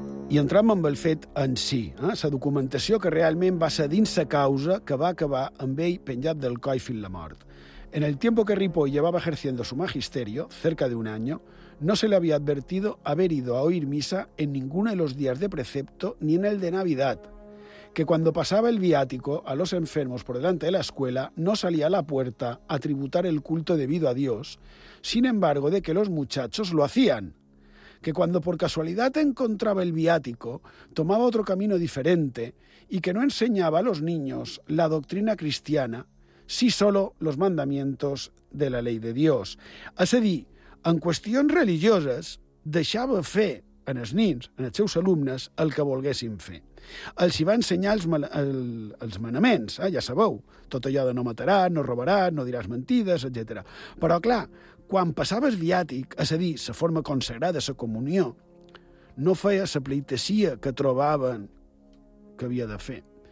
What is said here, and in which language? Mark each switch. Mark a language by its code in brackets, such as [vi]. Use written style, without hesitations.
[ca] I entram amb el fet en si, la documentació que realment va ser dins la causa que va acabar amb ell penjat del coll fins la mort. [es] En el tiempo que Ripoll llevaba ejerciendo su magisterio, cerca de un año, no se le había advertido haber ido a oír misa en ninguno de los días de precepto ni en el de Navidad, que cuando pasaba el viático a los enfermos por delante de la escuela no salía a la puerta a tributar el culto debido a Dios, sin embargo de que los muchachos lo hacían, que cuando por casualidad encontraba el viático, tomaba otro camino diferente y que no enseñaba a los niños la doctrina cristiana, sí solo los mandamientos de la llei de Dios. [ca] És a dir, en qüestions religioses, deixava fer en els nins, en els seus alumnes, el que volguessin fer. Els hi va ensenyar els manaments, ja sabeu, tot allò de no mataràs, no robaràs, no diràs mentides, etc. Però, clar, quan passaves viàtic, és a dir, la forma consagrada, la comunió, no feia la pleitesia que trobaven que havia de fer.